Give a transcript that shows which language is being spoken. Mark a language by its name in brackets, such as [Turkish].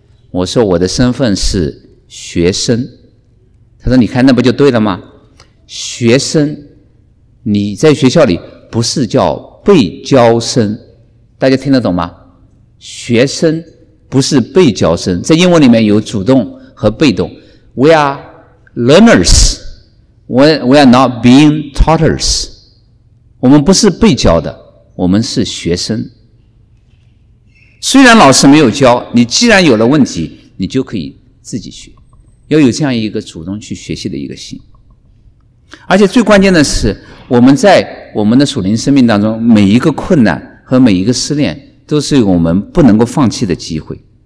[Chinese] 我说我的身份是学生。她说你看那不就对了吗？学生，你在学校里不是叫被教生，大家听得懂吗？学生不是被教生，在英文里面有主动和被动。 [English] We are learners, we are not being taughters。 [Chinese] 我们不是被教的，我们是学生。虽然老师没有教，你既然有了问题，你就可以自己学，要有这样一个主动去学习的一个心。而且最关键的是，我们在我们的属灵生命当中，每一个困难和每一个失恋都是我们不能够放弃的机会。